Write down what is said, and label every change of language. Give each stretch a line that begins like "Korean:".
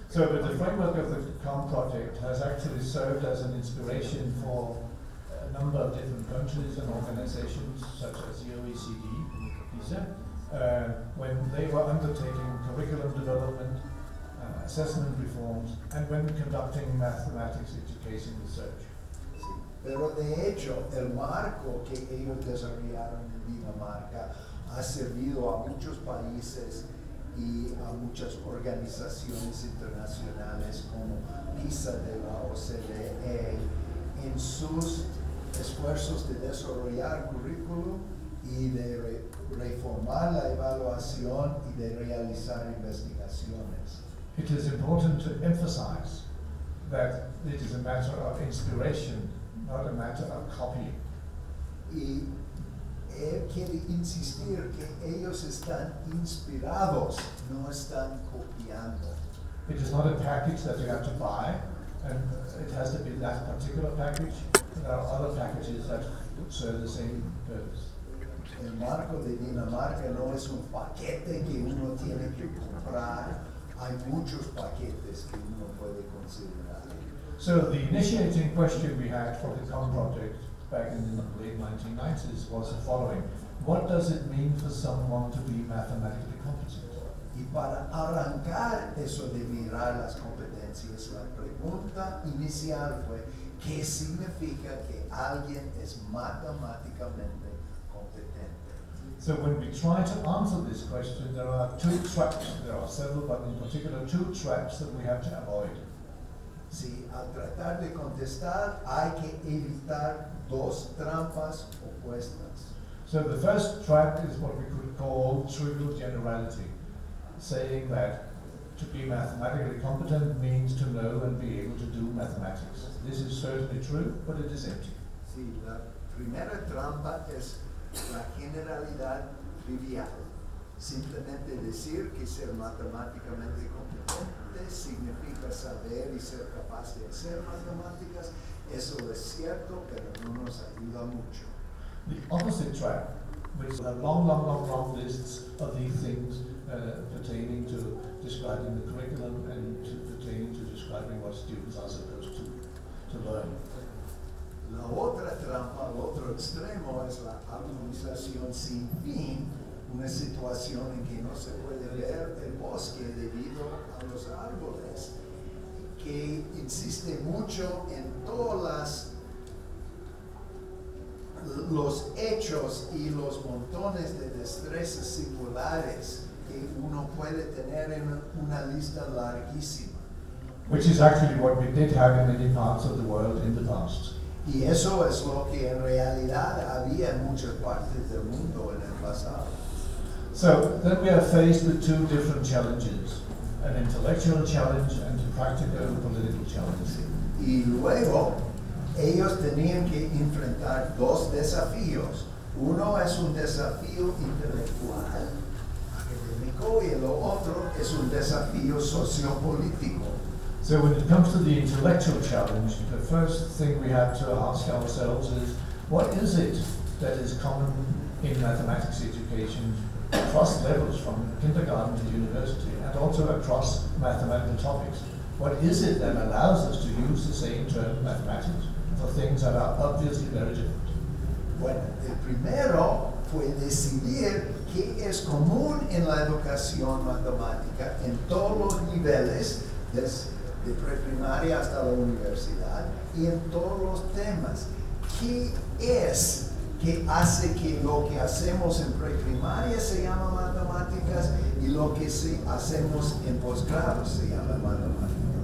English: So, but the framework of the COM project has actually served as an inspiration for a number of different countries and organizations, such as the OECD, PISA, when they were undertaking curriculum development, assessment reforms, and when conducting mathematics education research.
Spanish: Pero de hecho, el marco que ellos desarrollaron en Dinamarca ha servido a muchos países y a muchas organizaciones internacionales como PISA de la OCDE en sus esfuerzos de desarrollar currículo y de reformar la evaluación y de realizar investigaciones.
English: It is important to emphasize that it is a matter of inspiration, not a matter of copying.
Spanish: Y él quiere insistir que ellos están inspirados, no están copiando.
English: It is not a package that you have to buy, and it has to be that particular package. There are other packages that serve the same purpose.
Spanish: El marco de Dinamarca no es un paquete que uno tiene que comprar. Hay muchos paquetes que uno puede considerar.
English: So the initiating question we had for the COM project back in the late 1990s was the following. What does it mean for someone to be mathematically competent?
Spanish: Y para arrancar eso de mirar las competencias, la pregunta inicial fue, ¿qué significa que alguien es matemáticamente competente?
English: So when we try to answer this question, there are two traps. There are several, but in particular, two traps that we have to avoid.
Spanish: Si al tratar de contestar, hay que evitar dos trampas opuestas.
English: So the first trap is what we could call trivial generality, saying that to be mathematically competent means to know and be able to do mathematics. This is certainly true, but it is empty.
Spanish: Sí, la primera trampa es la generalidad trivial. Simplemente decir que ser matemáticamente competente significa saber y ser capaz de hacer matemáticas. Eso es cierto, pero no nos ayuda mucho.
English: The opposite track, which is a long, long, long, long list of these things pertaining to describing the curriculum and to pertaining to describing what students are supposed to learn.
Spanish: La otra trampa, el otro extremo, es la armonización sin fin, una situación en que no se puede ver el bosque debido a los árboles, que insiste mucho en todos los hechos y los montones de destrezas singulares que uno puede tener en una lista larguísima.
English: Which is actually what we did have in many parts of the world in the past.
Spanish: Y eso es lo que en realidad había en muchas partes del mundo en el pasado.
English: So then we are faced with two different challenges, an intellectual challenge and a practical political challenge.
Spanish: Y luego, ellos tenían que enfrentar dos desafíos. Uno es un desafío intelectual, académico, y el otro es un desafío sociopolítico.
English: So when it comes to the intellectual challenge, the first thing we have to ask ourselves is, what is it that is common in mathematics education across levels from kindergarten to university and also across mathematical topics? What is it that allows us to use the same term mathematics for things that are obviously very different?
Spanish: Bueno, el primero fue decidir qué es común en la educación matemática en todos los niveles, desde preprimaria hasta la universidad, y en todos los temas. ¿Qué es que hace que lo que hacemos en preprimaria se llama matemáticas y lo que hacemos en posgrado se llama matemáticas?